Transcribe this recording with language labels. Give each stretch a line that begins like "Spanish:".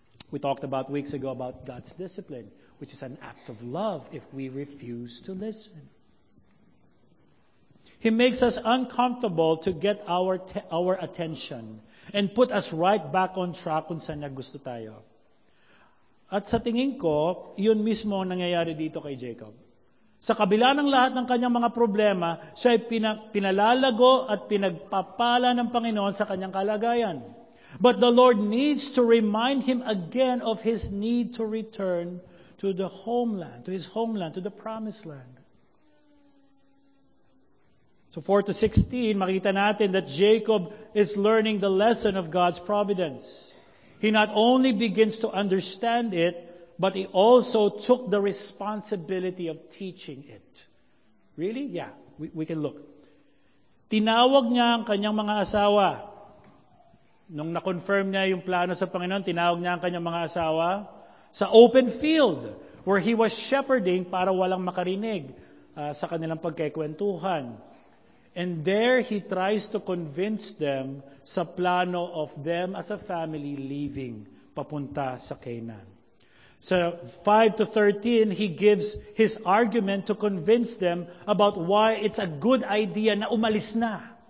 English: We talked about weeks ago about God's discipline, which is an act of love if we refuse to listen. He makes us uncomfortable to get our attention and put us right back on track
Filipino: kung saan na gusto tayo. At sa tingin ko, yun mismo ang nangyayari dito kay Jacob. Sa kabila ng lahat ng kanyang mga problema, siya ay pinalalago at pinagpapala ng Panginoon sa kanyang kalagayan.
English: But the Lord needs to remind him again of his need to return to the homeland, to his homeland, to the promised land. So 4 to 16,
Filipino: makita natin
English: that Jacob is learning the lesson of God's providence. He not only begins to understand it, but he also took the responsibility of teaching it. Really? Yeah, we can look.
Filipino: Tinawag niya ang kanyang mga asawa. Nung na-confirm niya yung plano sa Panginoon, tinawag niya ang kanyang mga asawa sa open field
English: where he was shepherding
Filipino: para walang makarinig sa kanilang pagkikwentuhan.
English: And there, he tries to convince them
Filipino: sa plano
English: of them as a family leaving
Filipino: papunta sa Canaan.
English: So 5 to 13, he gives his argument to convince them about why it's a good idea
Filipino: na umalis na.